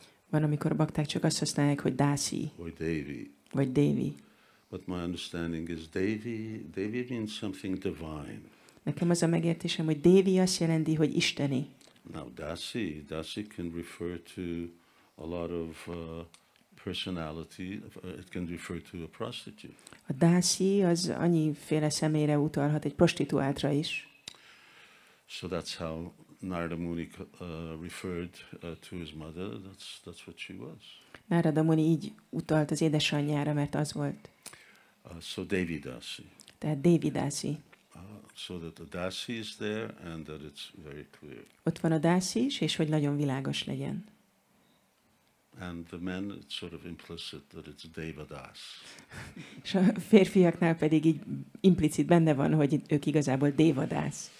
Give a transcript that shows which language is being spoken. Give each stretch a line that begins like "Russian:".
Hungarian: Van, amikor a bakták csak azt használják, hogy dasi.
English: Or Devi.
Hungarian: Vagy Devi.
English: But my understanding is Devi means something divine.
Hungarian: Nekem az a megértésem, hogy Devi azt jelenti, hogy isteni.
English: Now dasi can refer to a lot of personality. It can refer to a prostitute.
Hungarian: A dasi az annyiféle személyre utalhat, egy prostituáltra is.
English: So that's how Narada Muni referred to his mother, that's what she was.
Hungarian: Narada Muni így utalt az édesanyjára, mert az volt.
English: So Devidasi.
Hungarian: Tehát Devidasi.
English: So that the dasi is there and that it's very clear.
Hungarian: Ott van a dasi is, és hogy nagyon világos legyen.
English: And the men, it's sort of implicit that it's Devadas.
Hungarian: És a férfiaknál pedig így implicit benne van, hogy ők igazából Devadas.